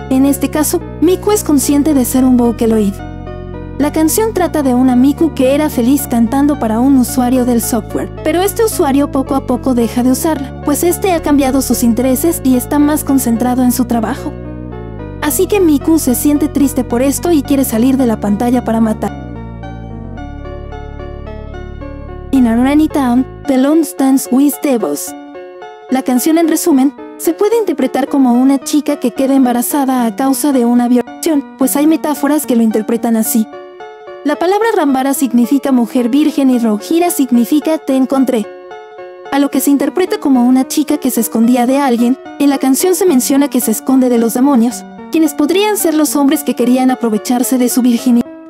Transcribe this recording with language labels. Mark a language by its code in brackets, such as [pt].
[es] En este caso, Miku es consciente de ser un Vocaloid. La canción trata de una Miku que era feliz cantando para un usuario del software, pero este usuario poco a poco deja de usarla, pues este ha cambiado sus intereses y está más concentrado en su trabajo. Así que Miku se siente triste por esto y quiere salir de la pantalla para matar. [en] In a Rainy Town, the Lone Stands with Devils. [es] La canción, en resumen, se puede interpretar como una chica que queda embarazada a causa de una violación, pues hay metáforas que lo interpretan así. La palabra Rambara significa mujer virgen y Rohira significa te encontré. A lo que se interpreta como una chica que se escondía de alguien, en la canción se menciona que se esconde de los demonios, quienes podrían ser los hombres que querían aprovecharse de su virginidad.